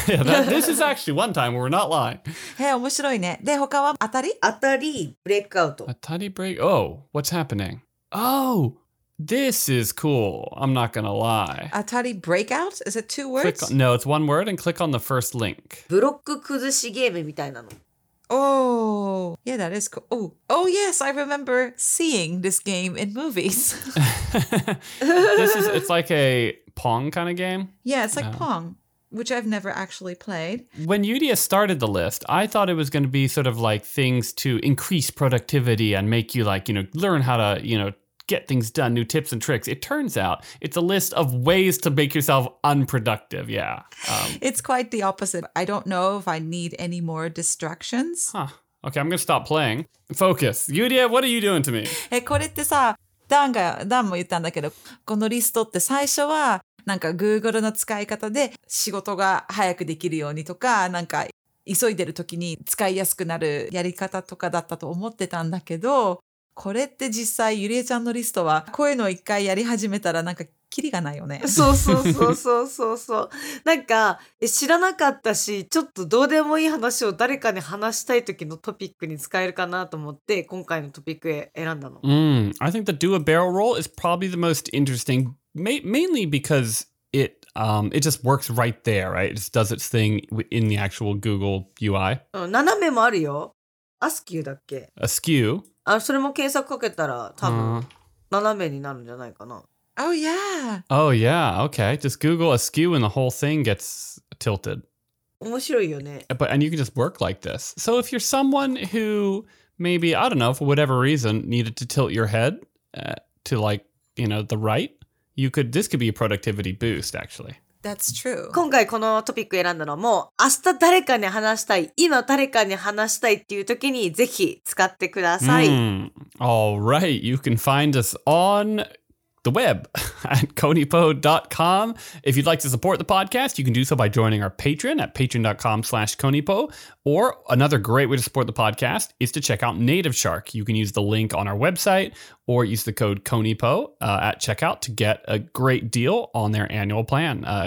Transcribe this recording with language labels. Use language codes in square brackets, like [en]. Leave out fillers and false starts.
[en] Yeah, this is actually one time where we're not lying. [ja] Hey, 面白いね。で、他は Atari? [en] Atari Breakout. Atari Break... Oh, what's happening? Oh, this is cool. I'm not gonna lie. Atari Breakout? Is it two words? No, it's one word and click on the first link. [ja] ブロック崩しゲームみたいなの。 [en] Oh, yeah, that is cool. Oh, yes, I remember seeing this game in movies. it's like a Pong kind of game? Yeah, it's like Pong, which I've never actually played. When Yudia started the list, I thought it was going to be sort of like things to increase productivity and make you like, you know, learn how to, you know, get things done, new tips and tricks. It turns out it's a list of ways to make yourself unproductive. Yeah. It's quite the opposite. I don't know if I need any more distractions. Huh. Okay, I'm going to stop playing. Focus. Yudia, what are you doing to me? [ja] これってさ、ダンも言ったんだけど、このリストって最初はなんか Google の使い方で仕事が早くできるようにとか、なんか急いでる時に使いやすくなるやり方とかだったと思ってたんだけど、これって実際ゆりえちゃんのリストはこういうのを一回やり始めたらなんかキリがないよね。そうそうそうそうそうそう。なんか知らなかったし、ちょっとどうでもいい話を誰かに話したい時のトピックに使えるかなと思って今回のトピックへ選んだの。 Mm. [en] I think the do a barrel roll is probably the most interesting, mainly because it just works right there, right? It just does its thing in the actual Google UI. [ja] 斜めもあるよ。アスキューだっけ [en] Askew? [ja] あ、それも検索かけたら多分斜めになるんじゃないかな。 [en] Oh yeah. Oh yeah. Okay. Just Google askew and the whole thing gets tilted. [ja] 面白いよね。 [en] But and you can just work like this. So if you're someone who maybe I don't know for whatever reason needed to tilt your head to like you know the right, this could be a productivity boost actually. That's true. [ja] 今回このトピック選んだのも明日誰かに話したい、今誰かに話したいっていう時にぜひ使ってください。 Mm. [en] All right, you can find us on the web at konipo.com. If you'd like to support the podcast, you can do so by joining our Patreon at patreon.com/konipo. Or another great way to support the podcast is to check out Native Shark. You can use the link on our website or use the code konipo at checkout to get a great deal on their annual plan.